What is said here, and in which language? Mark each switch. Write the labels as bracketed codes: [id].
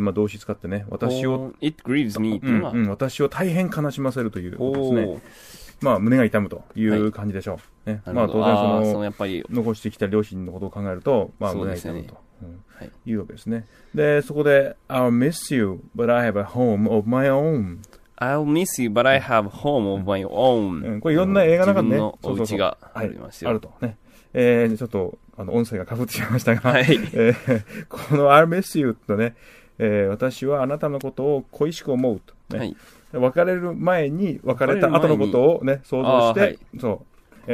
[ja] まあ、動詞使ってね、私を [en] It grieves me、 [ja] うんうん、私を大変悲しませるということですね。まあ、胸が痛むという感じでしょう、はい、ね、まあ、当然その、やっぱり残してきた両親のことを考えると、まあ、胸が痛むと、うん、はい、いうわけですね。 [en] で、そこで、I'll miss you, but I have a home of my own. I'll miss you, but I have a home of my own.、 [ja] うん、これ、いろんな映画の中でね、自分のお家がありますよ。そうそう、はい、あるとね。ちょっと、音声がかぶってしまいましたが、はい、この [en] I'll miss you [ja] とね、私はあなたのことを恋しく思うと、ね、はい。別れる前に、別れた後のことをね、想像して、はい、そう。